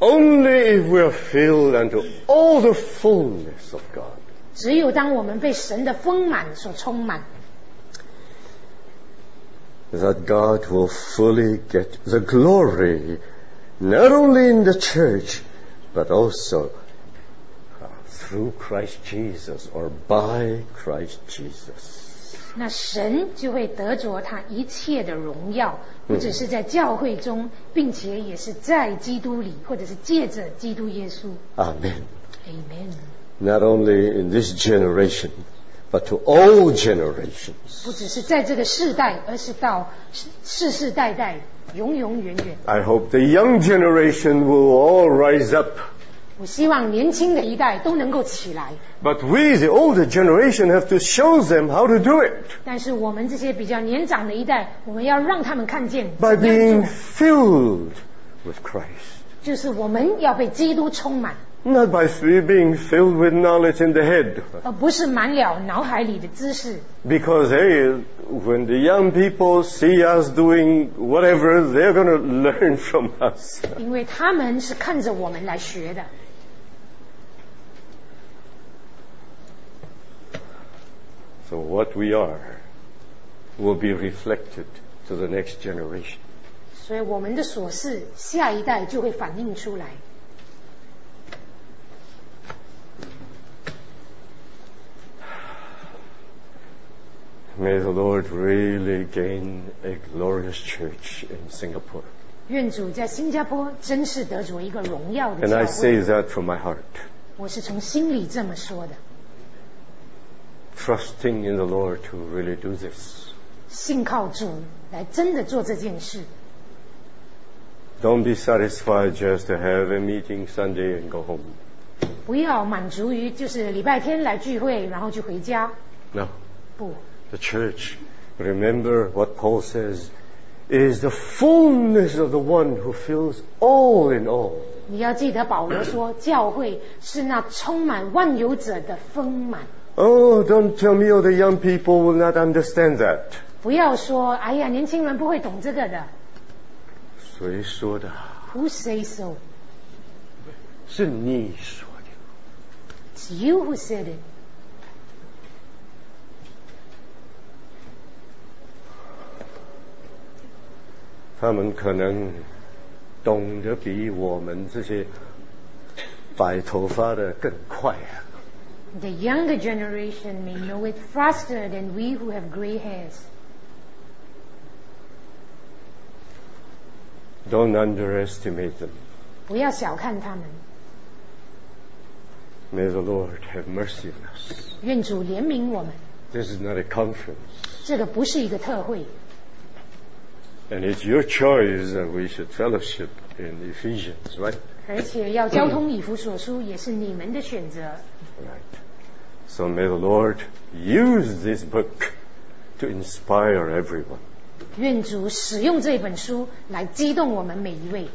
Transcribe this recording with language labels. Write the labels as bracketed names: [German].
[English] Only if we are filled unto all the fullness of God. [Chinese] 只有当我们被神的丰满所充满。 [English] that God will fully get the glory, not only in the church, but also through Christ Jesus, or by Christ Jesus. [Chinese] 那神就会得着他一切的荣耀，不只是在教会中，并且也是在基督里，或者是借着基督耶稣。 [English] Amen. Amen. Not only in this generation, but to all generations. [Chinese] 不只是在这个世代，而是到世世代代，永永远远。 [English] I hope the young generation will all rise up. [Chinese] 我希望年轻的一代都能够起来。 [English] But we, the older generation, have to show them how to do it. [Chinese] 但是我们这些比较年长的一代，我们要让他们看见。 [English] By being filled with Christ. [Chinese] 就是我们要被基督充满。 [English] Not by being filled with knowledge in the head. [Chinese] 而不是满了脑海里的知识。 [English] Because hey, when the young people see us doing whatever, they're going to learn from us. [Chinese] 因为他们是看着我们来学的。 [English] So what we are will be reflected to the next generation. [Chinese] 所以我们的所事，下一代就会反映出来。 [English] May the Lord really gain a glorious church in Singapore. [Chinese] 愿主在新加坡真是得着一个荣耀的教会。 [English] And I say that from my heart. [Chinese] 我是从心里这么说的。 [English] Trusting in the Lord to really do this. [Chinese] 信靠主来真的做这件事。 [English] Don't be satisfied just to have a meeting Sunday and go home. [Chinese] 不要满足于就是礼拜天来聚会然后就回家。 [English] No. [Chinese] 不。 [English] The church, remember what Paul says, is the fullness of the one who fills all in all. [Chinese] 你要记得保罗说，教会是那充满万有者的丰满。 [English] Oh, don't tell me all the young people will not understand that. [Chinese] 不要说，哎呀，年轻人不会懂这个的。谁说的？ [English] Who say so? [Chinese] 是你说的。 [English] It's you who said it. They [Chinese] 们可能懂得比我们这些白头发的更快啊。 [English] The younger generation may know it faster than we who have gray hairs. Don't underestimate them. [Chinese] 不要小看他们。 [English] May the Lord have mercy on us. [Chinese] 愿主怜悯我们。 [English] This is not a conference. [Chinese] 这个不是一个特会。 [English] And it's your choice that we should fellowship in Ephesians, right? [Chinese] 而且要交通以弗所书也是你们的选择。 [English] Right. So may the Lord use this book to inspire everyone. [Chinese] 愿主使用这本书来激动我们每一位。